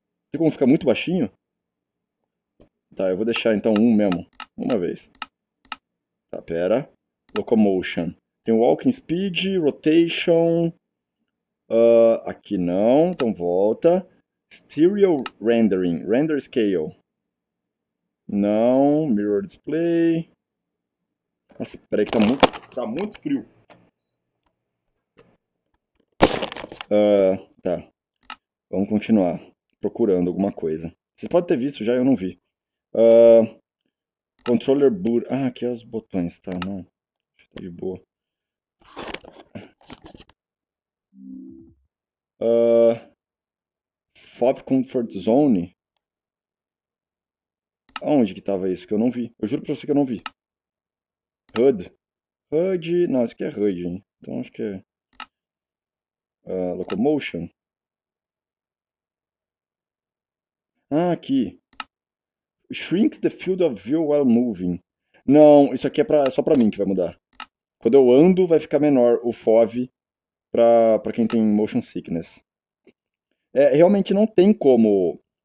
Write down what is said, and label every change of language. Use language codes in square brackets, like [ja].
[pt] Tem como ficar muito baixinho? Tá, eu vou deixar então um mesmo. Uma vez. Tá, pera. Locomotion. Tem walking speed, rotation. Aqui não. Então volta. Stereo rendering. Render scale. Não. [en] Mirror display. [pt] Nossa, peraí que tá muito frio. Tá. Vamos continuar procurando alguma coisa. Vocês podem ter visto já, eu não vi. Controller boot. Ah, aqui é os botões, tá? Não. De boa. [en] FOV Comfort Zone. [pt] Aonde que tava isso que eu não vi? Eu juro pra você que eu não vi. HUD. HUD. Não, isso aqui é HUD, hein? Então acho que é. Locomotion. Ah, aqui. [en] Shrinks the field of view while moving. [pt] Não, isso aqui é só pra mim que vai mudar. Quando eu ando, vai ficar menor o FOV pra quem tem motion sickness. É, realmente não tem como.